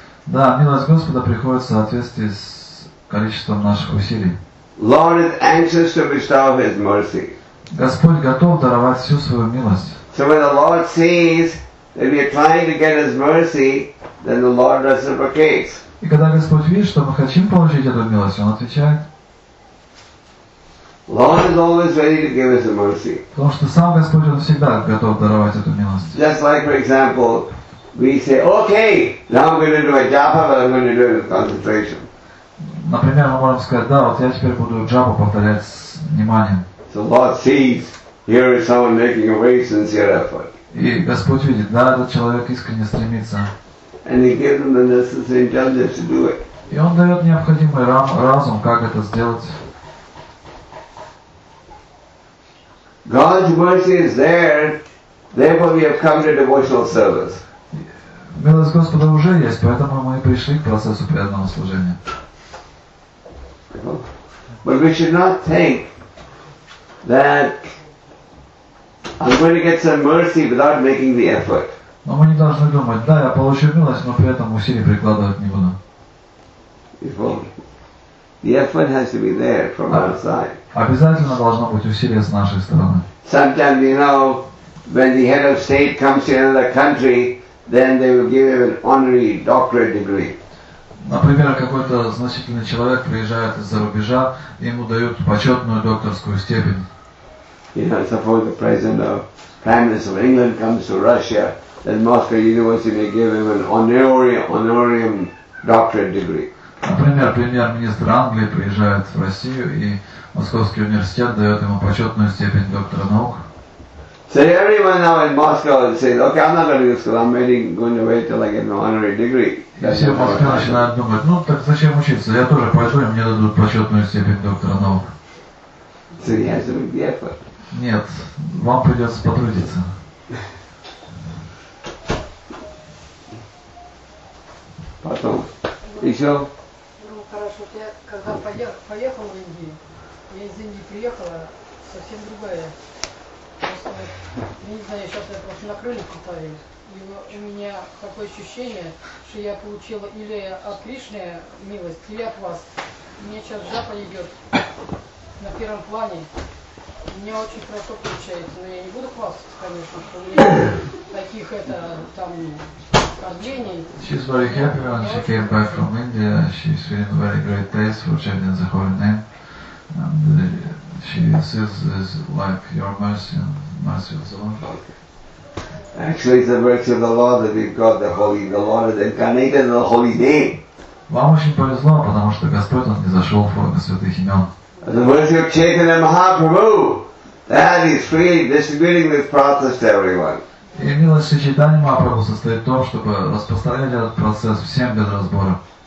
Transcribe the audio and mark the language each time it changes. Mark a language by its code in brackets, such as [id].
[ru] Да, милость Господа приходит в соответствии с количеством наших усилий. [en] Lord is anxious to bestow His mercy. [ru] Господь готов даровать всю свою милость. [en] So when the Lord sees that we are trying to get His mercy, then the Lord reciprocates. [ru] И когда Господь видит, что мы хотим получить эту милость, Он отвечает. [en] Lord is always ready to give us the mercy. [ru] Потому что сам Господь, Он всегда готов даровать эту милость. [en] Just like, for example, we say, okay, now I'm going to do a japa, but I'm going to do it with concentration. [ru] Например, мы можем сказать, да, вот я теперь буду джапу повторять с вниманием. [en] So Lord sees, here is someone making a very sincere effort. [ru] И Господь видит, да, этот человек искренне стремится. [en] And He gives them the necessary intelligence to do it. [ru] И Он дает необходимый разум, как это сделать. [en] God's mercy is there, therefore we have come to devotional service. [ru] Милость Господа уже есть, поэтому мы пришли к процессу преданного служения. [en] But we should not think that I'm going to get some mercy without making the effort. [ru] Но мы не должны думать, да, я получу милость, но при этом усилий прикладывать не буду. [en] The effort has to be there from our side. [ru] Обязательно должно быть усилие с нашей стороны. [en] Sometimes, you know, when the head of state comes to another country, then they will give him an honorary doctorate degree. [ru] Например, какой-то значительный человек приезжает из-за рубежа, ему дают почетную докторскую степень. [en] You know, suppose the president or prime minister of England comes to Russia, then Moscow University may give him an honorarium doctorate degree. [ru] Например, премьер-министр Англии приезжает в Россию, и Московский университет дает ему почетную степень доктора наук. [en] So everyone now in Moscow says, okay, I'm not going to go to school, I'm really going to wait till I get an honorary degree. That's [ru] все в Москве начинают думать, ну так зачем учиться, я тоже пойду, и мне дадут почетную степень доктора наук. [en] So he has to make the effort. [ru] Нет, вам придется потрудиться. Потом. Еще? Ну хорошо, я когда поехал в Индию, я из Индии приехала, совсем другая. Просто, я не знаю, сейчас я просто на крыльях летаю. И у меня такое ощущение, что я получила или от Кришны милость, или от вас. У меня сейчас джапа идет на первом плане. У меня очень хорошо получается, но я не буду хвастаться, конечно, что у меня таких это там. [en] She's very happy when she came back from India. She's feeling very great taste for chanting the holy name. And she says it's like your mercy and mercy of the Lord. Actually it's the mercy of the Lord that we've got the Lord is incarnated in the holy name. [ru] Вам очень повезло, потому что Господь не зашел в форму святых имен. [en] The mercy of Chaitanya Mahaprabhu that is freely distributing this process to everyone. [ru] И милость сочетания Махапрабху состоит в том, чтобы распространять этот процесс всем без разбора.